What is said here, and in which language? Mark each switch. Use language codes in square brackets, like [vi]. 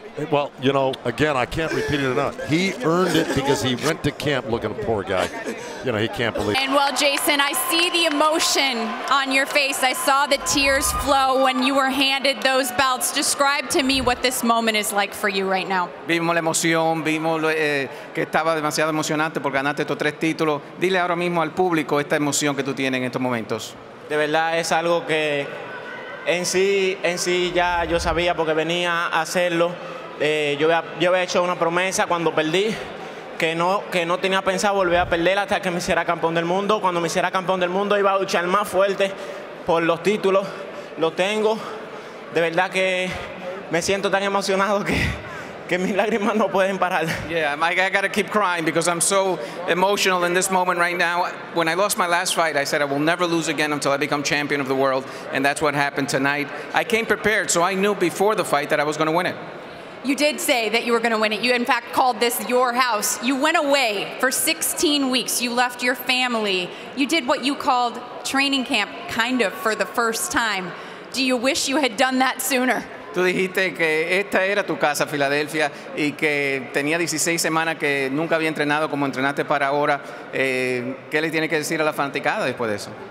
[en] Well, you know, again, I can't repeat it enough. He earned it because he went to camp looking a poor guy. You know, he can't believe it. And well, Jeison, I see the emotion on your face. I saw the tears flow when you were handed those belts. Describe to me what this moment is like for you right now. [es] Vimos la emoción, vimos que estaba demasiado emocionante por ganarte estos tres títulos. Dile ahora mismo al público esta emoción que tú tienes en estos momentos. De verdad es algo que en sí ya yo sabía porque venía a hacerlo. Yo había hecho una promesa cuando perdí que no tenía pensado volver a perder hasta que me hiciera campeón del mundo. Cuando me hiciera campeón del mundo iba a luchar más fuerte por los títulos. lo tengo. De verdad que me siento tan emocionado que mis lágrimas no pueden parar. [en] Yeah, I gotta keep crying because I'm so emotional in this moment right now. When I lost my last fight, I said I will never lose again until I become champion of the world, and that's what happened tonight. I came prepared, so I knew before the fight that I was going to win it. You did say that you were going to win it. You, in fact, called this your house. You went away for 16 weeks. You left your family. You did what you called training camp, kind of, for the first time. Do you wish you had done that sooner? [es] Tú dijiste que esta era tu casa, Filadelfia, y que tenía 16 semanas que nunca había entrenado como entrenaste para ahora. ¿Qué le tienes que decir a la fanaticada después de eso?